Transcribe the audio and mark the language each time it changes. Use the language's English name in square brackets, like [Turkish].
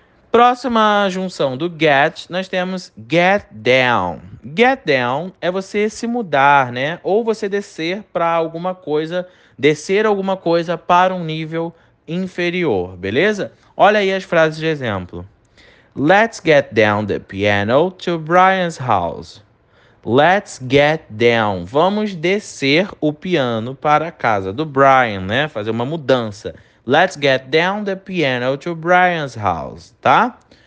[Portuguese] Próxima junção do get, nós temos get down. Get down é você se mudar, né? Ou você descer alguma coisa para um nível inferior, beleza? Olha aí as frases de exemplo. [English] Let's get down the piano to Brian's house. Let's get down. [Portuguese] Vamos descer o piano para a casa do Brian, né? Fazer uma mudança. [English] Let's get down the piano to Brian's house, tá?